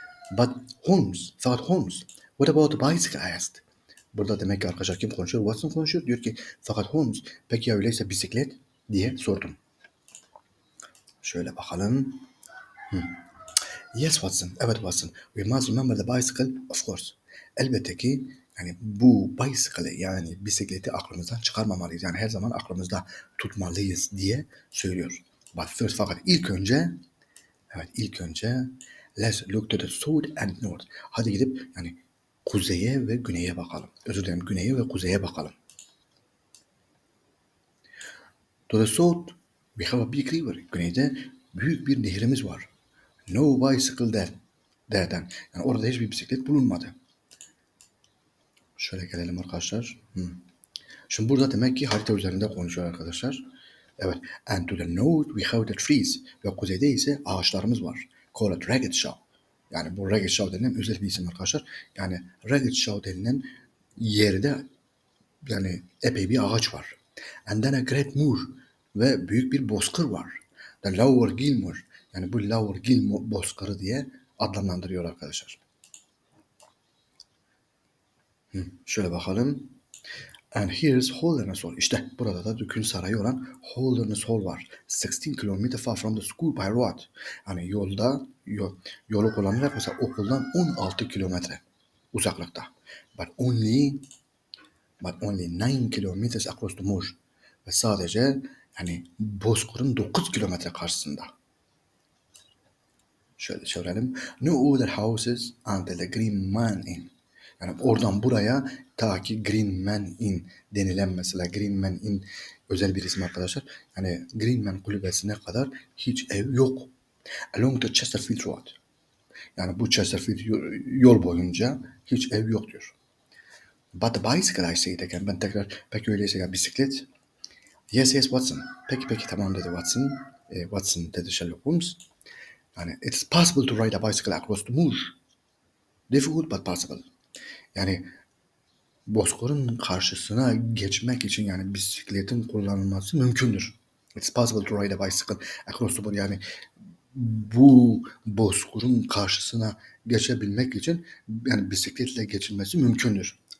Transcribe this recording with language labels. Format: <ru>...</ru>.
<en>But Holmes, thought Holmes, what about the bicycle, I asked.</en> <tr>Burada demek ki arkadaşlar kim konuşuyor? Watson konuşuyor. Diyor ki, fakat Holmes, peki ya öyleyse bisiklet diye sordum. Şöyle bakalım.</tr> <en>Yes Watson,</en> <tr>evet Watson.</tr> <en>We must remember the bicycle, of course.</en> <tr>Elbette ki yani bu bicycle yani bisikleti aklımızdan çıkarmamalıyız. Yani her zaman aklımızda tutmalıyız diye söylüyor.</tr> <en>But first,</en> <tr>fakat ilk önce, evet ilk önce,</tr> <en>let's look to the south and north.</en> <tr>Hadi gidip yani kuzeye ve güneye bakalım. Özür dilerim, güneye ve kuzeye bakalım.</tr> <en>To the south, we have a big river.</en> <tr>Güneyde büyük bir nehrimiz var.</tr> <en>No bicycle there'den.</en> <tr>Yani orada hiçbir bisiklet bulunmadı. Şöyle gelelim arkadaşlar. Şimdi burada demek ki harita üzerinde konuşuyor arkadaşlar. Evet.</tr> <en>And to the north we have the trees.</en> <tr>Ve kuzeyde ise ağaçlarımız var.</tr> <en>Call it ragged shaw.</en> <tr>Yani bu ragged shaw denilen özel bir isim arkadaşlar. Yani ragged shaw denilen yerde yani epey bir ağaç var.</tr> <en>And then a great moor.</en> <tr>Ve büyük bir bozkır var.</tr> <en>The lower Gilmore.</en> <tr>Yani bu Lower Gilmore bozkırı diye adlandırıyor arkadaşlar. Şöyle bakalım.</tr> <en>And here's Holderness Hall.</en> <tr>İşte burada da Dükün Sarayı olan Holderness Hall var.</tr> <en>16 kilometer far from the school by road.</en> <tr>Yani yolda, yolu kullanarak mesela okuldan 16 kilometre uzaklıkta.</tr> <en>But only 9 kilometers across the moor.</en> <tr>Ve sadece yani bozkırın 9 kilometre karşısında. Şöyle çevirelim.</tr> <en>No other houses until the Green Man Inn.</en> <tr>Yani oradan buraya ta ki Green Man Inn denilen mesela Green Man Inn özel bir isim arkadaşlar. Yani Green Man kulübesine kadar hiç ev yok</tr> <en>Along the Chesterfield Road.</en> <tr>Yani bu Chesterfield yol boyunca hiç ev yok diyor.</tr> <en>But bicycle I say again.</en> <tr>Ben tekrar peki öyleyse ya bisiklet.</tr> <en>Yes Watson.</en> <tr>Peki tamam dedi Watson. Watson dedi Sherlock Holmes.</tr> <en>Yani it's possible to ride a bicycle across the moor. Difficult but possible.</en> <tr>Yani bozkırın karşısına geçmek için yani bisikletin kullanılması mümkündür.</tr> <en>It's possible to ride a bicycle across the moor.</en> <tr>Yani bu bozkırın karşısına geçebilmek için yani bisikletle geçilmesi mümkündür.</tr>